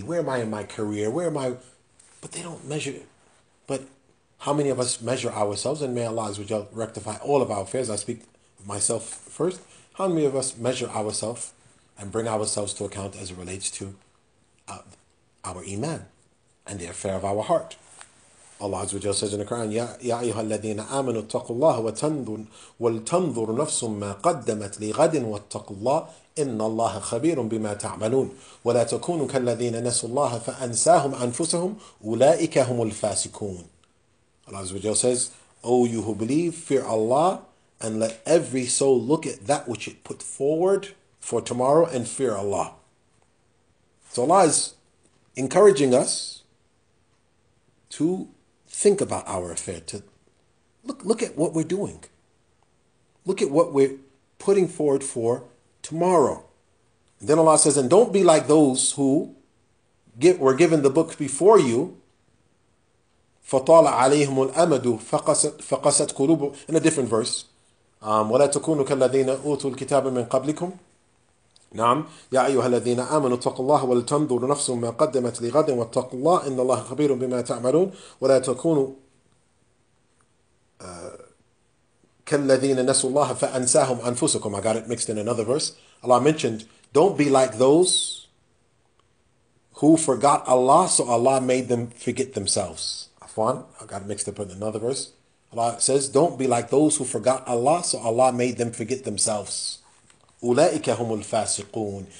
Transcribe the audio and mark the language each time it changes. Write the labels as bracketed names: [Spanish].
[English] Where am I in my career? Where am I? But they don't measure. But how many of us measure ourselves? And may Allah rectify all of our affairs. I speak of myself first. How many of us measure ourselves and bring ourselves to account as it relates to our Iman and the affair of our heart? Allah Azza wa Jalla says in the Quran, [Arabic] يَا أَيُّهَا الَّذِينَ آمَنُوا اتَّقُوا اللَّهَ وَلْتَنْظُرْ نَفْسٌ مَّا قَدَّمَتْ لِغَدٍ وَاتَّقُوا اللَّهَ إِنَّ اللَّهَ خَبِيرٌ بِمَا تَعْمَلُونَ وَلَا تَكُونُوا كَالَّذِينَ نَسُوا اللَّهَ فَأَنْسَاهُمْ أَنفُسَهُمْ أُولَٰئِكَ هُمُ الْفَاسِقُونَ. [English] Allah Azza wa Jalla says, O you who believe, fear Allah and let every soul look at that which it put forward for tomorrow and fear Allah. So Allah is encouraging us to think about our affair, to look at what we're doing. Look at what we're putting forward for tomorrow. And then Allah says, and don't be like those who were given the book before you. [Arabic] فَطَالَ عَلَيْهُمُ الْأَمَدُ فَقَسَتْ قُلُوبُ. [English] In a different verse. [Arabic] وَلَا تَكُونُوا كَالَّذِينَ أُوتُوا الْكِتَابَ مِنْ قَبْلِكُمْ. نعم يا أيها الذين آمنوا اتقوا الله ولتنظر نفس ما قدمت لغد واتقوا الله إن الله خبير بما تعملون ولا تكونوا كالذين نسوا الله فأنساهم أنفسكم. [English] I got it mixed in another verse. Allah mentioned, Don't be like those who forgot Allah, so Allah made them forget themselves. Afwan, I got mixed up with another verse. Allah says, don't be like those who forgot Allah, so Allah made them forget themselves. [Arabic] أُولَٰئِكَ هُمُ الْفَاسِقُونَ.